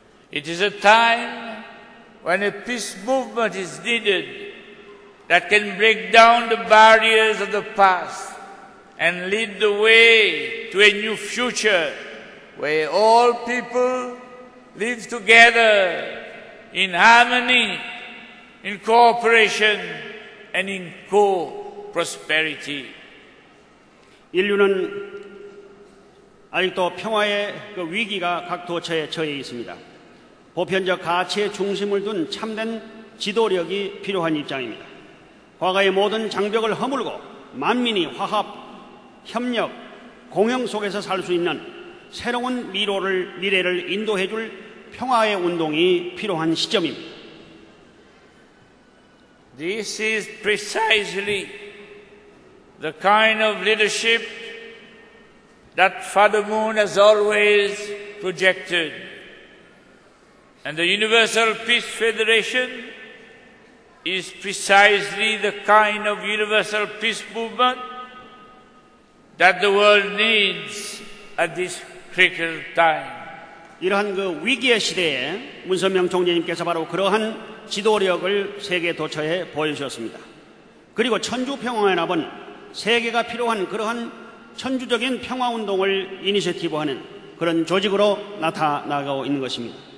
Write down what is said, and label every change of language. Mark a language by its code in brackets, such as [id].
[en] It is a time when a peace movement is needed that can break down the barriers of the past and lead the way to a new future where all people live together in harmony, in cooperation, and in co-prosperity. [ko] 인류는 아직도 평화의 그 위기가 각 도처에 처해 있습니다. 보편적 가치의 중심을 둔 참된 지도력이 필요한 입장입니다. 과거의 모든 장벽을 허물고 만민이 화합, 협력, 공영 속에서 살 수 있는 새로운 미래를 인도해 줄 평화의 운동이 필요한 시점입니다. [en] This is precisely the kind of leadership that Father Moon has always projected. And the Universal Peace Federation is precisely the kind of universal peace movement that the world needs at this critical time. [ko] 이러한 그 위기의 시대에 문선명 총재님께서 바로 그러한 지도력을 세계 도처에 보여주셨습니다. 그리고 천주 평화연합은 세계가 필요한 그러한 천주적인 평화 운동을 이니셔티브하는 그런 조직으로 나타나고 있는 것입니다.